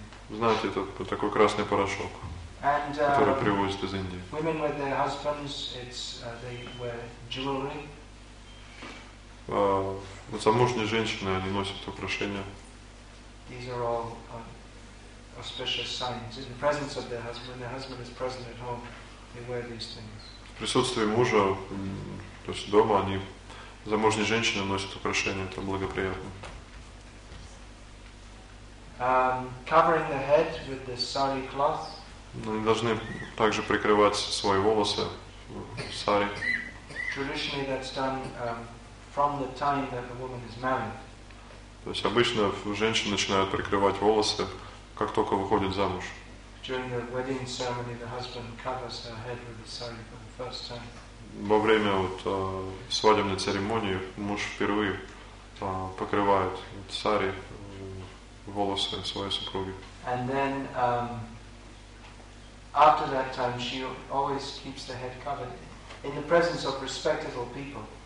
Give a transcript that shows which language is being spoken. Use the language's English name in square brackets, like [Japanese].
[Russian] Знаете, это такой красный порошок, который привозят из Индии. [English] Women with their husbands, they wear jewelry. [Russian] Вот замужние женщины, они носят украшения. [English] These are all auspicious signs. In the presence of their husband, when their husband is present at home, they wear these things. [Russian] В присутствии мужа, то есть дома, они замужние женщины носят украшения, это благоприятно. [English] Covering the head with the sari cloth. [Russian] Они должны также прикрывать свои волосы сари. [English] Traditionally, that's done from the time that the woman is married. [Russian] То есть обычно женщины начинают прикрывать волосы, как только выходит замуж. [English] During the wedding ceremony, the husband covers her head with the sari for the first time. [Russian] Во время вот свадебной церемонии муж впервые покрывает сари волосы своей супруги. [English] And then after that time, she always keeps the head covered in the presence of respectable people.